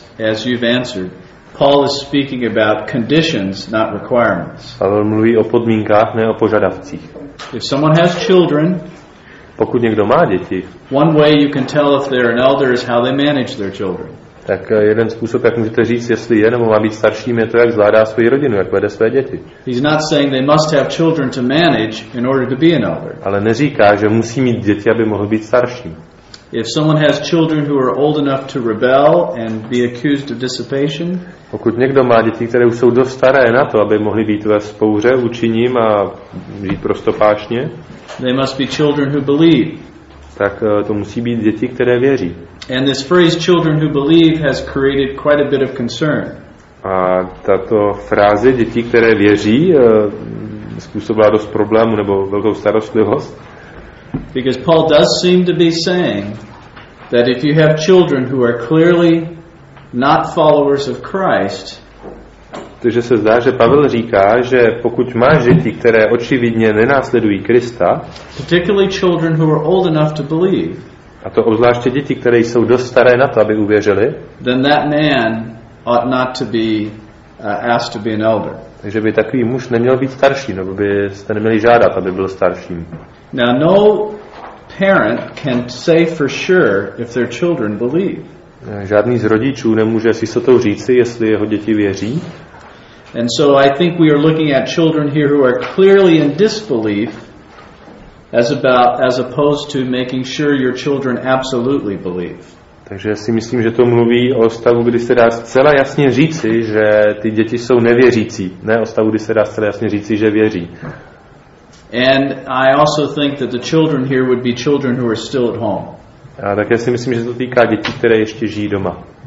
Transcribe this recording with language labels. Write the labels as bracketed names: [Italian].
[English] As you've answered, Paul is speaking about conditions, not requirements. [Czech] Pavel mluví o podmínkách, ne o požadavcích. [English] If someone has children. [Czech] Pokud někdo má děti. [English] One way you can tell if they're an elder is how they manage their children. [Czech] Tak jeden způsob, jak můžete říct, jestli je nebo má být starším, je to, jak zvládá svou rodinu, jak vede své děti. [English] He's not saying they must have children to manage in order to be an elder. [Czech] Ale neříká, že musí mít děti, aby mohl být starším. [English] If someone has children who are old enough to rebel and be accused of dissipation. [Czech] Pokud někdo má děti, které už jsou dost staré na to, aby mohli být ve spouře, učiním a žít prostopášně. [English] They must be children who believe. [Czech] Tak to musí být děti, které věří. [English] And this phrase children who believe has created quite a bit of concern. [Czech] A tato fráze děti, které věří, způsobila dost problémů nebo velkou starostlivost. [English] Because Paul does seem to be saying that if you have children who are clearly not followers of Christ. [Czech] Takže se zdá, že Pavel říká, že pokud máš děti, které očividně nenásledují Krista, [English] particularly children who are old enough to believe, [Czech] a to obzvláště děti, které jsou dost staré na to, aby uvěřili, [English] then that man ought not to be asked to be an elder. [Czech] Takže by takový muž neměl být starší, nebo byste neměli žádat, aby byl starším. [English] Now no parent can say for sure if their children believe. [Czech] Žádný z rodičů nemůže s jistotou říci, jestli jeho děti věří. [English] And so I think we are looking at children here who are clearly in disbelief as opposed to making sure your children absolutely believe. [Czech] Takže si myslím, že to mluví o stavu, kdy se dá zcela jasně říci, že ty děti jsou nevěřící, ne o stavu, kdy se dá zcela jasně říci, že věří. [English] And I also think that the children here would be children who are still at home. [Czech] A také si myslím, že to týká dětí, které ještě žijí doma.